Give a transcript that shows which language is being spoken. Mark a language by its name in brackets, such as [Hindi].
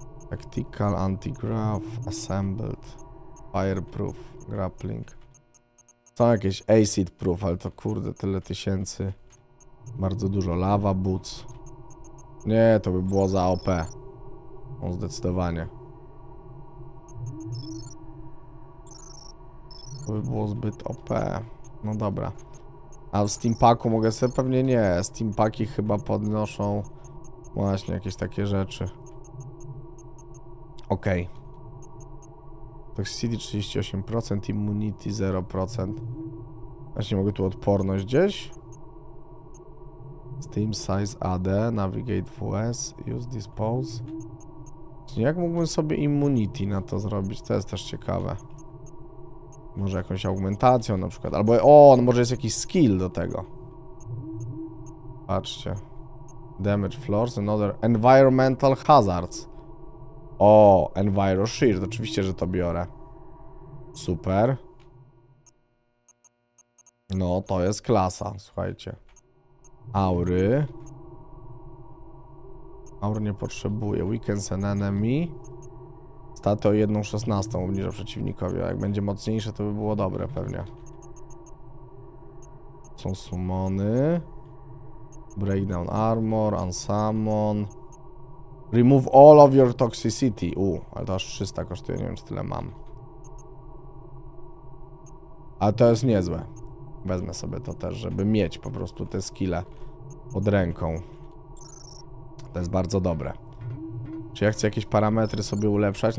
[English] Tactical, anti-grav, assembled, fireproof, grappling. [Polish] Są jakieś acid proof, ale to kurde, tyle tysięcy. Bardzo dużo lava boots. Nie, to by było za OP. No, zdecydowanie. To by było zbyt OP. No dobra. A w steampacku mogę sobie? Pewnie nie. Steampaki chyba podnoszą właśnie jakieś takie rzeczy. Okej. Toxicity 38%, immunity 0%. Właśnie mogę tu odporność gdzieś. [English] Steam size AD, navigate WS, use dispose. [Polish] Czyli jak mógłbym sobie immunity na to zrobić? To jest też ciekawe. Może jakąś augmentacją na przykład. Albo o, no może jest jakiś skill do tego. Patrzcie. [English] Damage floors, another environmental hazards. [Polish] O, Enviro Shield. Oczywiście, że to biorę. Super. No, to jest klasa, słuchajcie. Aury. Aury nie potrzebuję. [English] Weakens an enemy. [Polish] Staty o 1/16 obniża przeciwnikowi. A jak będzie mocniejsze, to by było dobre pewnie. Są summony. Breakdown armor, unsummon. [English] Remove all of your toxicity. [Polish] Ale to aż 300 kosztuje, nie wiem, czy tyle mam. Ale to jest niezłe. Wezmę sobie to też, żeby mieć po prostu te skille pod ręką. To jest bardzo dobre. Czy ja chcę jakieś parametry sobie ulepszać?